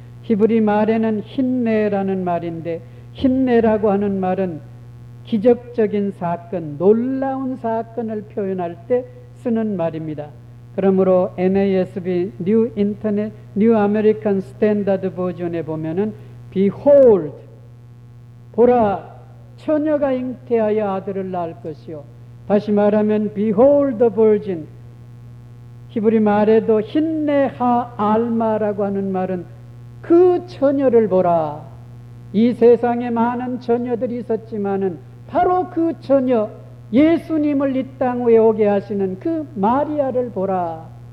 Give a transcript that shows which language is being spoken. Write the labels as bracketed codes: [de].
[ko] 히브리 말에는 힌네라는 말인데 힌네라고 하는 말은 기적적인 사건, 놀라운 사건을 표현할 때 쓰는 말입니다. 그러므로 NASB New Internet New American Standard 버전에 보면은 Behold, 보라 처녀가 잉태하여 아들을 낳을 것이요. 다시 말하면 [en] Behold the Virgin. [ko] 히브리 말에도 힌네하 알마라고 하는 말은 그 처녀를 보라. 이 세상에 많은 처녀들이 있었지만은 바로 그 처녀, 예수님을 이 땅에 오게 하시는 그 마리아를 보라.